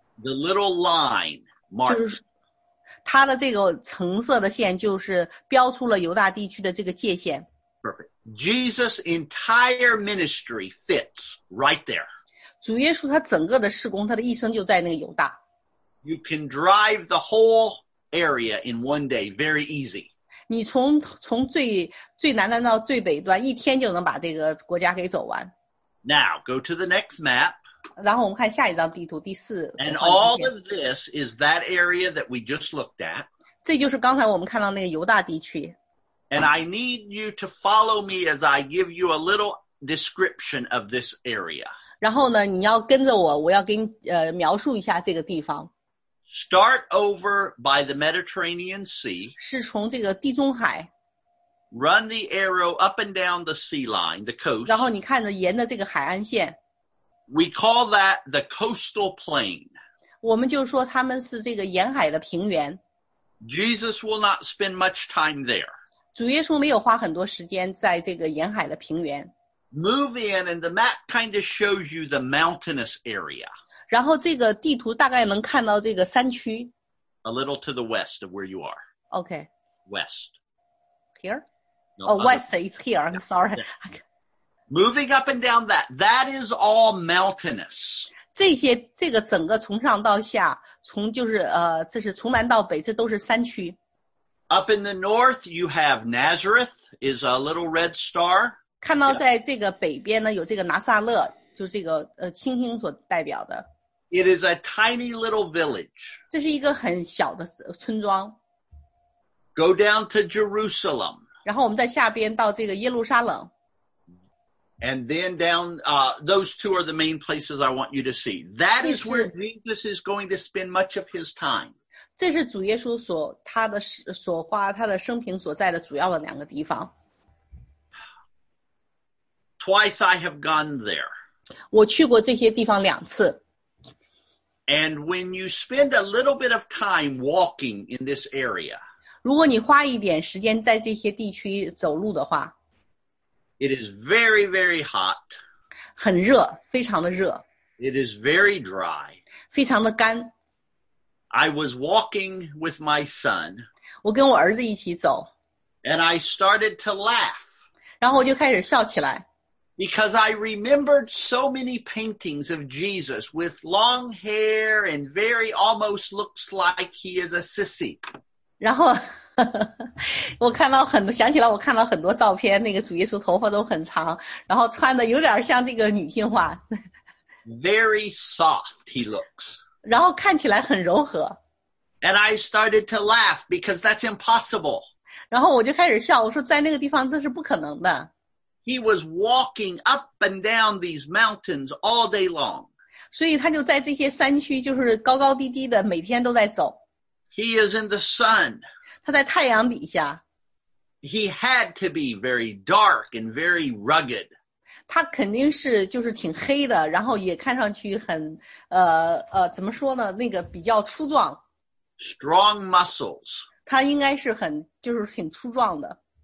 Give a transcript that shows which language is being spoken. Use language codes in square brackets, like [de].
[en] The little line marks. [zh] 就是它的这个橙色的线，就是标出了犹大地区的这个界限。 [en] Perfect. Jesus' entire ministry fits right there. [zh] 主耶稣他整个的事工，他的一生就在那个犹大。 [en] You can drive the whole area in one day, very easy. [zh] 你从最南端到最北端，一天就能把这个国家给走完。 [en] Now, go to the next map. [zh] 然后我们看下一张地图，第四。 [en] And all of this is that area that we just looked at. [zh] 这就是刚才我们看到那个犹大地区。 [en] And I need you to follow me as I give you a little description of this area. [zh] 然后呢，你要跟着我，我要给你描述一下这个地方。 [en] Start over by the Mediterranean Sea. [zh] 是从这个地中海。 [en] Run the arrow up and down the sea line, the coast. [zh] 然后你看着沿着这个海岸线。 [en] We call that the coastal plain. [zh] 我们就说他们是这个沿海的平原。 [en] Jesus will not spend much time there. [zh] 主耶稣没有花很多时间在这个沿海的平原。 [en] Move in, and the map kind of shows you the mountainous area. [zh] 然后这个地图大概能看到这个山区。 [en] A little to the west of where you are. Okay. West. Here? No, oh, west, it's here, I'm sorry. Moving up and down that is all mountainous. [zh] 这个整个从上到下，从就是这是从南到北，这都是山区。 [en] Up in the north, you have Nazareth, is a little red star. [zh] 看到在这个北边呢，有这个拿撒勒，就是这个星星所代表的。 [en] It is a tiny little village. [zh] 这是一个很小的村庄。 [en] Go down to Jerusalem. [zh] 然后我们在下边到这个耶路撒冷。 [en] And then down, those two are the main places I want you to see. That is where Jesus is going to spend much of his time. [zh] 这是主耶稣所花他的生平所在的主要的两个地方。 [en] Twice I have gone there. [zh] 我去过这些地方两次。 [en] And when you spend a little bit of time walking in this area, [zh] 如果你花一点时间在这些地区走路的话， [en] it is very, very hot. [zh] 很热，非常的热。 [en] It is very dry. [zh] 非常的干。 [en] I was walking with my son. [zh] 我跟我儿子一起走。 [en] And I started to laugh. [zh] 然后我就开始笑起来。 [en] Because I remembered so many paintings of Jesus with long hair and very almost looks like he is a sissy. [zh] 然后我看到很多，想起来我看到很多照片，那个主耶稣头发都很长，然后穿的有点像这个女性化。 [en] Very soft he looks. [zh] 然后看起来很柔和。 [en] And I started to laugh because that's impossible. [zh] 然后我就开始笑，我说在那个地方这是不可能的。 [en] He was walking up and down these mountains all day long. [zh] 所以他就在这些山区就是高高低低的每天都在走。 [en] He is in the sun. [zh] 他在太阳底下。 [en] He had to be very dark and very rugged. [zh] 他肯定是就是挺黑的，然后也看上去很怎么说呢，那个比较粗壮。 [en] Strong muscles. [zh] 他应该是很就是挺粗壮的。